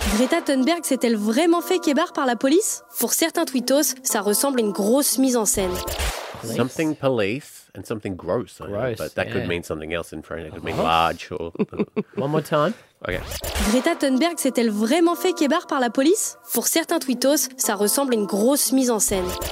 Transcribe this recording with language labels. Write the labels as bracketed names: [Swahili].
[French] Greta Thunberg s'est-elle vraiment fait kébar par la police? Pour certains tweetos, ça ressemble à une grosse mise en scène. [English] Police. Something police and something gross. Gross, I know, but that could mean something else in French. It could mean large or... One more time. Okay. [French] Greta Thunberg s'est-elle vraiment fait kébar par la police? Pour certains tweetos, ça ressemble à une grosse mise en scène.